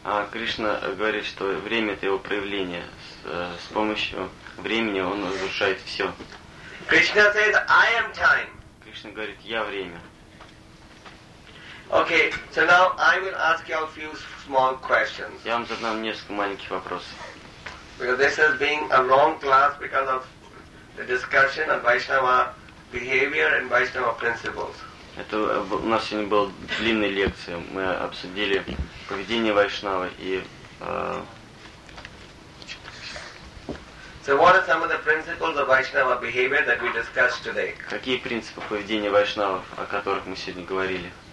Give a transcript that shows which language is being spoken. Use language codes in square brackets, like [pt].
[ru] Krishna говорит, что время — это его проявление. С помощью времени он разрушает все. [en] Krishna says, I am time. [ru] Krishna говорит, я время. [en] Okay, so now I will ask you a few small questions. [ru] Я вам задам несколько маленьких вопросов. [en] Because this has been a long class because of the discussion on Vaishnava behavior and Vaishnava principles. [ru] Это у нас сегодня была длинная лекция. Мы обсудили поведение Вайшнавы и. [en] So what are some of the principles of Vaishnava behavior that we discussed today? [ru] Какие принципы поведения Вайшнавы, о которых мы сегодня говорили?